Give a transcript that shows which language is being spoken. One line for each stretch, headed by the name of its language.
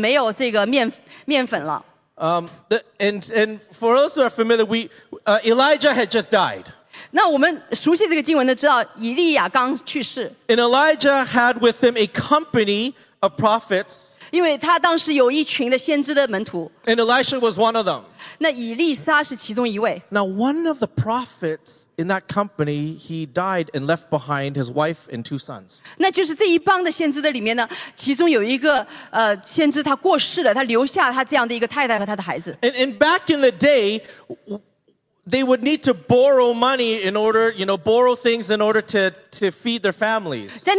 Chinese: 就是他，以利沙当时来到一个寡妇那边，他没有油了，也没有这个面粉了。
English: And for those who are familiar, Elijah had just died.
Chinese: 那我们熟悉这个经文的知道，以利亚刚去世。
English: And Elijah had with him a company of prophets.
Chinese: 因为他当时有一群的先知的门徒。
English: And Elisha was one of them.
Chinese: 那以利沙是其中一位。
English: Now one of the prophets in that company, he died and left behind his wife and two sons.
Chinese: 那就是这一帮的先知的里面呢，其中有一个先知他过世了，他留下他这样的一个太太和他的孩子。
English: And back in the day, they would need to borrow money in order, you know, borrow things in order to feed their families.